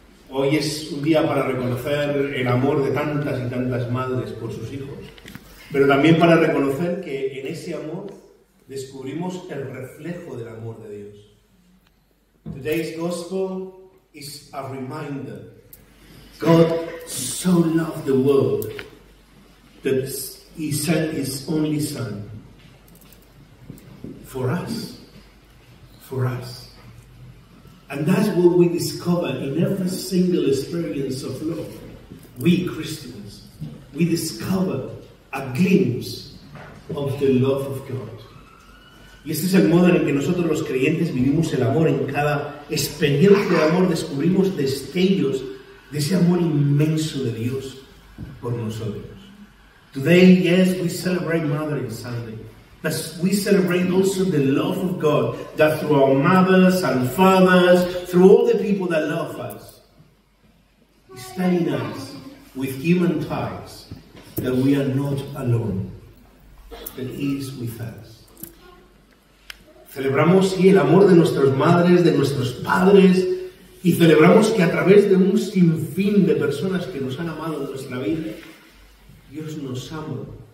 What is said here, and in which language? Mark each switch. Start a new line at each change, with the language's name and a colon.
Spanish: Hoy es un día para reconocer el amor de tantas y tantas madres por sus hijos, pero también para reconocer que en ese amor descubrimos el reflejo del amor de Dios.
English: Today's gospel is a reminder. God so loved the world that he sent his only son for us. And that's what we discover in every single experience of love. We Christians, we discover a glimpse of the love of God.
Spanish: Y este es el modo en el que nosotros los creyentes vivimos el amor. En cada experiencia de amor descubrimos destellos de ese amor inmenso de Dios por nosotros.
English: Today, yes, we celebrate Mothering Sunday. As we celebrate also the love of God, that through our mothers and fathers, through all the people that love us, is telling us with human ties that we are not alone, that He is with us.
Spanish: Celebramos, sí, el amor de nuestras madres, de nuestros padres, y celebramos que a través de un sinfín de personas que nos han amado en nuestra vida, Dios nos ama.